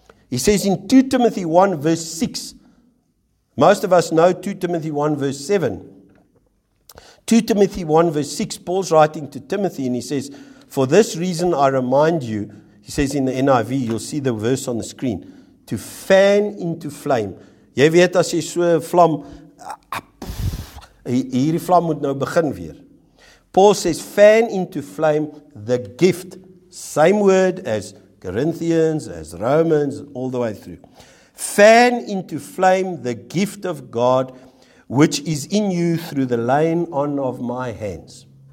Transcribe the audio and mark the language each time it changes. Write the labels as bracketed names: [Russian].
[English] He says in 2 Timothy 1 verse 6, most of us know 2 Timothy 1 verse 7. 2 Timothy 1 verse 6, Paul's writing to Timothy and he says, for this reason I remind you, he says in the NIV, you'll see the verse on the screen, to fan into flame. [Afrikaans] Jy weet as jy so vlam, hierdie vlam moet nou begin weer. [English] Paul says, fan into flame the gift, same word as Corinthians, as Romans, all the way through. Fan into flame the gift of God, which is in you through the laying on of my hands.